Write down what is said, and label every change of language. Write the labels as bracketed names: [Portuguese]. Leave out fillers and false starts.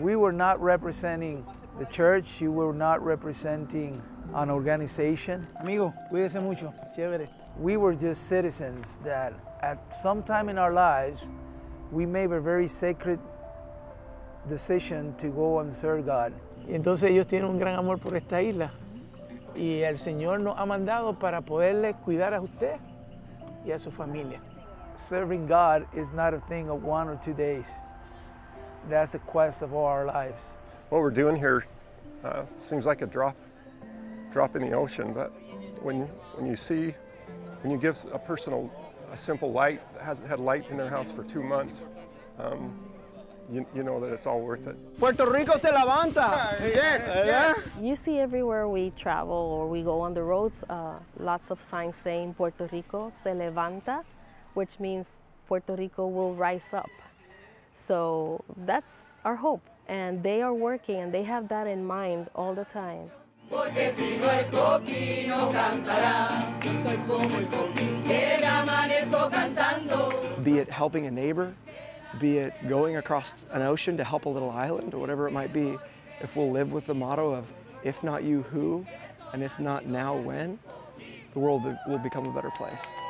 [English] We were not representing the church. You were not representing an organization. [Spanish] Amigo, cuídese mucho. Chévere. [English] We were just citizens that at some time in our lives, we made a very sacred decision to go and serve God. [Spanish] Y entonces ellos tienen un gran amor por esta isla. Y el Señor nos ha mandado para poderle cuidar a usted y a su familia. [English] serving God is not a thing of 1 or 2 days. That's a quest of all our lives. What we're doing here seems like a drop in the ocean, but when you give a person a simple light that hasn't had light in their house for 2 months, you know that it's all worth it. [Spanish] Puerto Rico se levanta. [English] Yeah, yeah. You see everywhere we travel or we go on the roads, lots of signs saying [Spanish] Puerto Rico se levanta, [English] which means Puerto Rico will rise up. So that's our hope. And they are working and they have that in mind all the time. [Spanish] Porque si no el coqui no cantará, soy como el coqui que me amanezco cantando. [English] Be it helping a neighbor, be it going across an ocean to help a little island or whatever it might be, if we'll live with the motto of, if not you, who? And if not now, when? The world will become a better place.